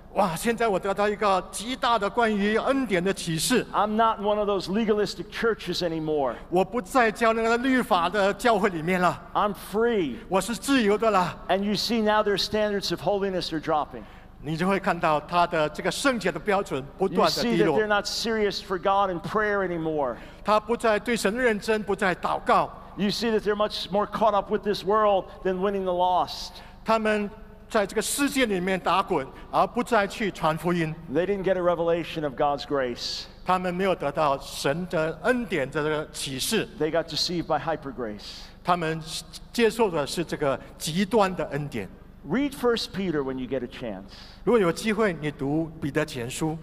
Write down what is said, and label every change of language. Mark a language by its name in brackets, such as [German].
[Chinese] 哇，现在我得到一个极大的关于恩典的启示。 [English] I'm not in one of those legalistic churches anymore. [Chinese] 我不再教那个律法的教会里面了。 [English] I'm free. [Chinese] 我是自由的了。 [English] And you see now their standards of holiness are dropping. [Chinese] 你就会看到他的这个圣洁的标准不断的低落。 [English] You see that they're not serious for God in prayer anymore. [Chinese] 他不再对神认真，不再祷告。 [English] You see that they're much more caught up with this world than winning the lost. [Chinese] 他们在这个世界里面打滚，而不再去传福音。 [English] They didn't get a revelation of God's grace. [Chinese] 他们没有得到神的恩典的启示。 [English] They got deceived by hyper grace. [Chinese] 他们接受的是这个极端的恩典。 [English] Read 1 Peter when you get a chance. [Chinese] 如果有机会，你读彼得前书。